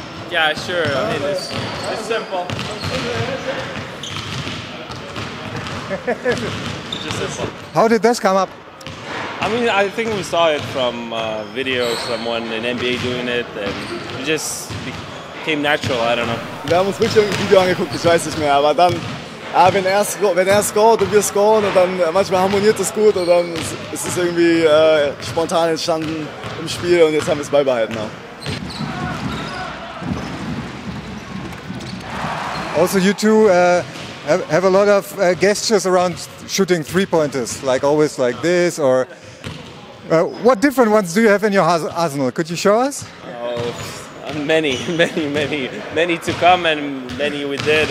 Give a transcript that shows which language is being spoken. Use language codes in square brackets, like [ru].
[en] Yeah, sure. I mean, it's simple. just this one. How did this come up? I mean, I think we saw it from a video, someone in NBA doing it, and it just became natural, I don't know. [de] Wir haben uns wirklich ein Video angeguckt, ich weiß nicht mehr, aber dann, wenn er scored und wir scoren, dann manchmal harmoniert es gut und dann ist es irgendwie spontan entstanden im Spiel und jetzt haben wir es beibehalten. Auch. [en] Also you two have a lot of gestures around shooting three-pointers, like always like this or... what different ones do you have in your arsenal? Could you show us? Many to come and many we did.